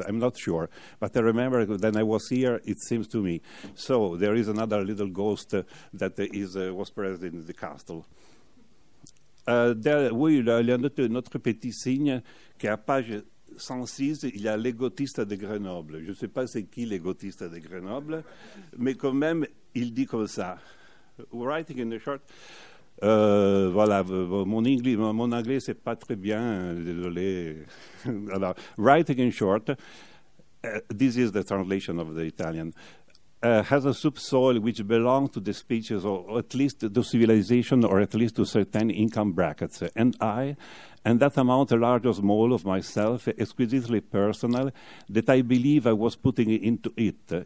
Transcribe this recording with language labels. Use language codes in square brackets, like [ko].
[en] I'm not sure, but I remember when I was here, it seems to me. So there is another little ghost that was present in the castle. [fr] Il y a un autre petit signe qui est à page 106, il y a l'égotiste de Grenoble. Je ne sais pas c'est qui l'égotiste de Grenoble, mais quand même, il dit comme ça. [en] Writing in the short. [fr] Voilà, mon anglais, ce n'est pas très bien. Désolé. [en] Alors, writing in short, this is the translation of the Italian. Has a subsoil which belongs to the species, or at least to civilization, or at least to certain income brackets. And I, and that amount, large or small, of myself, exquisitely personal, that I believe I was putting into it.